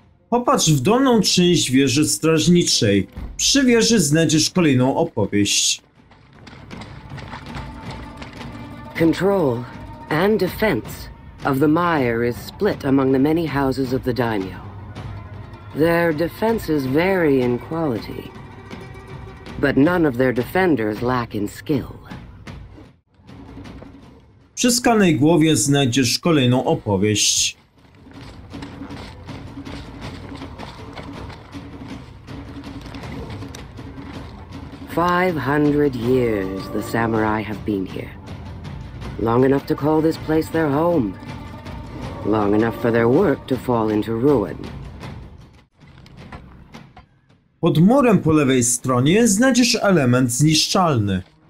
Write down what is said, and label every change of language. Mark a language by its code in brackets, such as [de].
[pl] Popatrz w dolną część wieży strażniczej. Przy wieży znajdziesz kolejną opowieść. [en] Control and defense of the mire is split among the many houses of the daimyo. Their defenses vary in quality, but none of their defenders lack in skill. [pl] Przy skalnej głowie znajdziesz kolejną opowieść. [en] Five hundred years the samurai have been here. Long enough to call this place their home. Long enough for their work to fall into ruin. [pl] Pod murem po lewej stronie znajdziesz element zniszczalny.